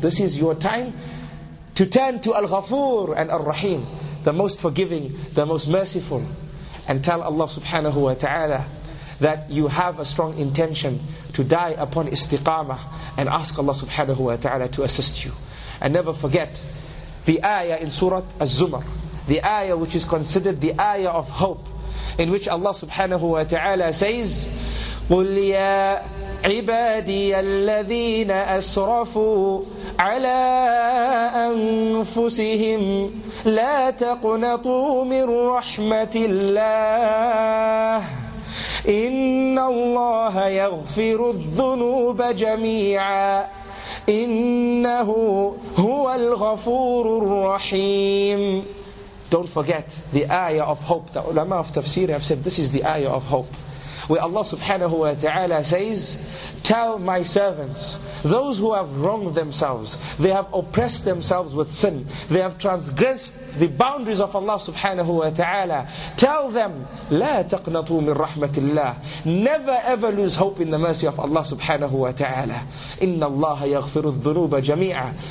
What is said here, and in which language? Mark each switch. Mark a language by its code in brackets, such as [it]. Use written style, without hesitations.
[en] This is your time to turn to Al-Ghafoor and Al-Rahim, the most forgiving, the most merciful, and tell Allah subhanahu wa ta'ala that you have a strong intention to die upon istiqamah, and ask Allah subhanahu wa ta'ala to assist you. And never forget the ayah in Surah Az-Zumar, the ayah which is considered the ayah of hope, in which Allah subhanahu wa ta'ala says, [ar] قُلْ يَا عِبَادِيَ الَّذِينَ أَسْرَفُوا عَلَىٰ أَنفُسِهِمْ لَا تَقْنَطُوا مِنْ رَحْمَةِ اللَّهِ إِنَّ اللَّهَ يَغْفِرُ الذُّنُوبَ جَمِيعًا إِنَّهُ هُوَ الْغَفُورُ الرَّحِيمُ. [en] Don't forget the ayah of hope. The ulama of tafsir have said this is the ayah of hope, where Allah subhanahu wa ta'ala says, tell my servants, those who have wronged themselves, they have oppressed themselves with sin, they have transgressed the boundaries of Allah subhanahu wa ta'ala, tell them, [ar] لا تقنطوا من رحمة الله. [en] Never ever lose hope in the mercy of Allah subhanahu wa ta'ala. [ar] إن الله يغفر الذنوب جميعا.